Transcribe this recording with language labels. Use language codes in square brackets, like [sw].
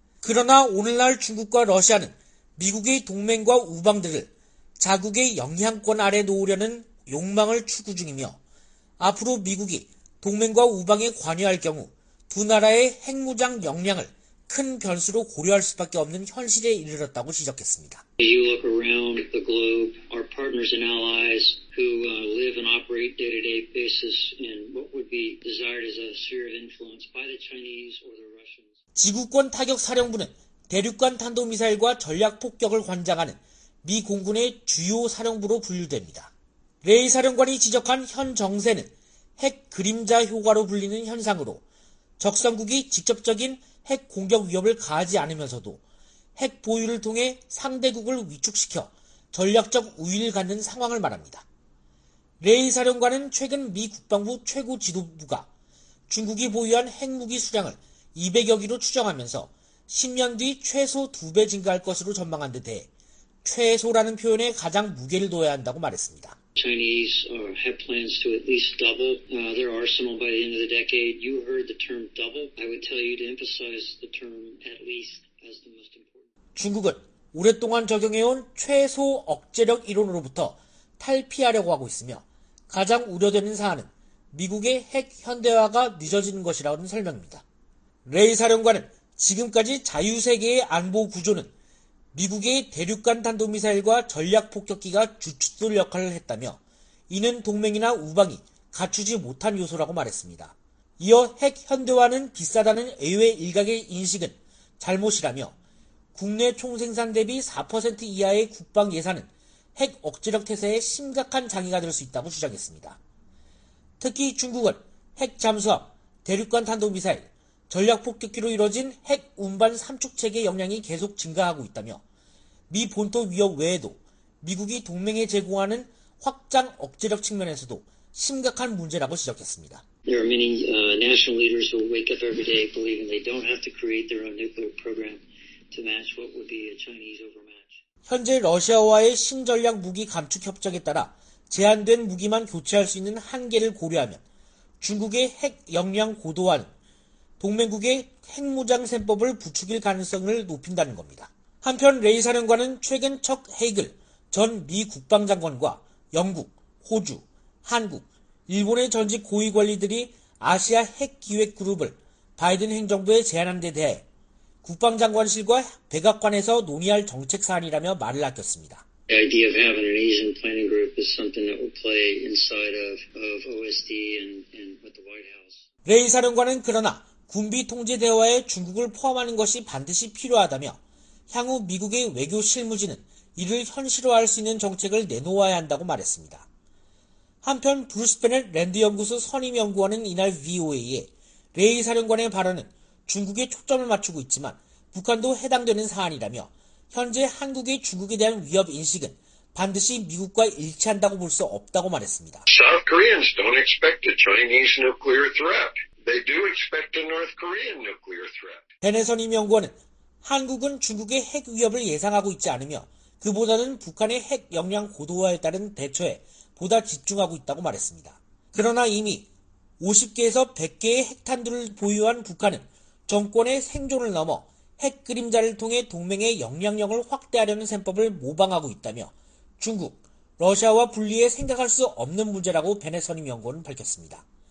[ko] 그러나 오늘날 중국과 러시아는 미국의 동맹과 우방들을 자국의 영향권 아래 놓으려는 욕망을 추구 중이며 앞으로 미국이 동맹과 우방에 관여할 경우 두 나라의 핵무장 역량을 큰 변수로 고려할 수밖에 없는 현실에 이르렀다고 지적했습니다. [en] You look around the globe, our partners and allies who live and operate day-to-day basis in what would be desired as a sphere of influence by the Chinese or the Russians. [ko] 지구권 타격 사령부는 대륙간 탄도미사일과 전략 폭격을 관장하는 미 공군의 주요 사령부로 분류됩니다. 레이 사령관이 지적한 현 정세는 핵 그림자 효과로 불리는 현상으로 적성국이 직접적인 핵 공격 위협을 가하지 않으면서도 핵 보유를 통해 상대국을 위축시켜 전략적 우위를 갖는 상황을 말합니다. 레이 사령관은 최근 미 국방부 최고 지도부가 중국이 보유한 핵무기 수량을 200여 기로 추정하면서 10년 뒤 최소 2배 증가할 것으로 전망한 데 대해 최소라는 표현에 가장 무게를 둬야 한다고 말했습니다. [en] Chinese have plans to at least double their arsenal by the end of the decade. You heard the term double. I would tell you to emphasize the term at least as the most important. [ko] 중국은 오랫동안 적용해온 최소 억제력 이론으로부터 탈피하려고 하고 있으며 가장 우려되는 사안은 미국의 핵 현대화가 늦어지는 것이라는 설명입니다. 레이 사령관은 지금까지 자유세계의 안보 구조는 미국의 대륙간 탄도미사일과 전략폭격기가 주춧돌 역할을 했다며 이는 동맹이나 우방이 갖추지 못한 요소라고 말했습니다. 이어 핵 현대화는 비싸다는 애외 일각의 인식은 잘못이라며 국내 총생산 대비 4% 이하의 국방 예산은 핵 억제력 태세에 심각한 장애가 될 수 있다고 주장했습니다. 특히 중국은 핵 잠수함, 대륙간 탄도미사일, 전략폭격기로 이뤄진 핵 운반 삼축체계 역량이 계속 증가하고 있다며 미 본토 위협 외에도 미국이 동맹에 제공하는 확장 억제력 측면에서도 심각한 문제라고 지적했습니다. [en] There are many national leaders who wake up every day believing they don't have to create their own nuclear program to match what would be a Chinese overmatch. [ko] 현재 러시아와의 신전략 무기 감축 협정에 따라 제한된 무기만 교체할 수 있는 한계를 고려하면 중국의 핵 역량 고도화는 동맹국의 핵무장세법을 부추길 가능성을 높인다는 겁니다. 한편 레이 사령관은 최근 척 헤이글 전 미 국방장관과 영국, 호주, 한국, 일본의 전직 고위관리들이 아시아 핵기획그룹을 바이든 행정부에 제안한 데 대해 국방장관실과 백악관에서 논의할 정책 사안이라며 말을 아꼈습니다. [en] The idea of having an Asian planning group is something that will play inside of OSD and with the White House. [ko] 레이 사령관은 그러나 군비 통제 대화에 중국을 포함하는 것이 반드시 필요하다며 향후 미국의 외교 실무진은 이를 현실화할 수 있는 정책을 내놓아야 한다고 말했습니다. 한편 브루스 베넷 랜드 연구소 선임 연구원은 이날 VOA에 레이 사령관의 발언은 중국에 초점을 맞추고 있지만 북한도 해당되는 사안이라며 현재 한국의 중국에 대한 위협 인식은 반드시 미국과 일치한다고 볼 수 없다고 말했습니다. [en] South Koreans don't expect a Chinese nuclear threat. They do expect a North Korean nuclear threat. [ko] 베넷 선임 연구원은 한국은 중국의 핵 위협을 예상하고 있지 않으며 그보다는 북한의 핵 역량 고도화에 따른 대처에 보다 집중하고 있다고 말했습니다. 그러나 이미 50개에서 100개의 핵탄두를 보유한 북한은 정권의 생존을 넘어 핵 그림자를 통해 동맹의 영향력을 확대하려는 셈법을 모방하고 있다며 중국, 러시아와 분리해 생각할 수 없는 문제라고 베넷 선임 연구원은 밝혔습니다.